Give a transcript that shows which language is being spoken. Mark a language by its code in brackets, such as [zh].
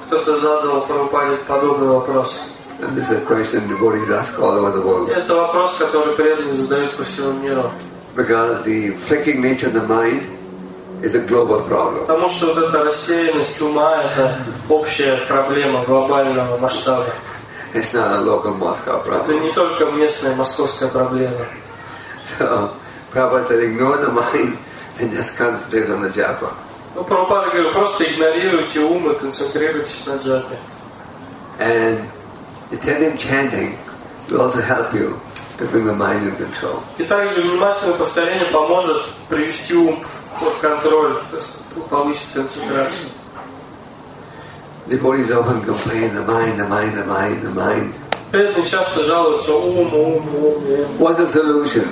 [ru] Кто-то задал Прабхупаде подобный вопрос. [en] And this is a question devotees ask all over the world. [ru] Это вопрос, который преданные задают по всему миру. [en] Because the flicking nature of the mind is a global problem. [ru] Потому что вот эта рассеянность ума – это общая проблема глобального масштаба. [en] It's not a local Moscow problem. [ru] Это не только местная московская проблема. [en] So, Prabhupada said, ignore the mind and just concentrate on the japa. [ru] Ну, Прабхупада говорит, просто игнорируйте ум и концентрируйтесь на джапе. [en] And attentive chanting will also help you to bring the mind in control. [ru] И также внимательное повторение поможет привести ум под контроль, то есть повысить концентрацию. [en] The body's often complaining, the mind. [ru] Преданные часто жалуются ум. [en] What's the solution?